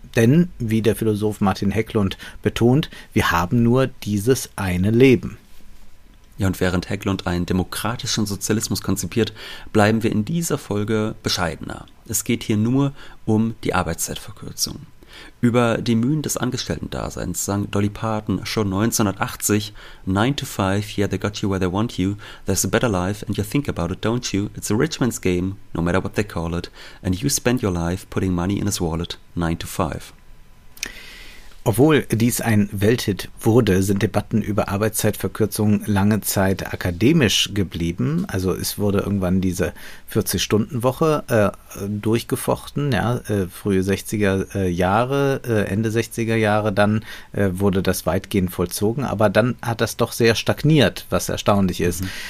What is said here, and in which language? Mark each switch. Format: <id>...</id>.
<de>Denn, wie der Philosoph Martin Hecklund betont, wir haben nur dieses eine Leben. Ja, und während Hecklund einen demokratischen Sozialismus konzipiert, bleiben wir in dieser Folge bescheidener. Es geht hier nur um die Arbeitszeitverkürzung. Über die Mühen des Angestellten-Daseins sang Dolly Parton schon 1980</de> <en>9 to 5, yeah, they got you where they want you, there's a better life and you think about it, don't you? It's a rich man's game, no matter what they call it, and you spend your life putting money in his wallet, 9 to 5.</en> <de>Obwohl dies ein Welthit wurde, sind Debatten über Arbeitszeitverkürzung lange Zeit akademisch geblieben. Also es wurde irgendwann diese 40-Stunden-Woche durchgefochten, ja, frühe 60er Jahre, Ende 60er Jahre, dann wurde das weitgehend vollzogen, aber dann hat das doch sehr stagniert, was erstaunlich ist. Mhm.</de>